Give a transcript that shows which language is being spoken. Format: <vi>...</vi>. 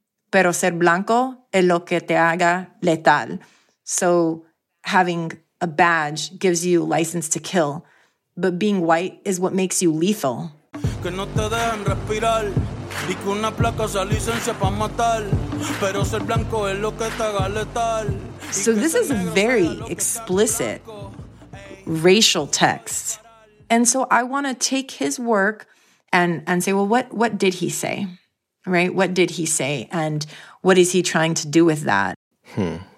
<es>Pero ser blanco es lo que te haga letal.</es> <en>So having a badge gives you license to kill. But being white is what makes you lethal.</en> <es>Que no te dejen respirar. Y que una placa sea licencia para matar. Pero ser blanco es lo que te haga letal.</es> <en>So this is a very explicit racial text. And so I want to take his work and say, well, what did he say? Right? What did he say? And what is he trying to do with that? Hmm.</en>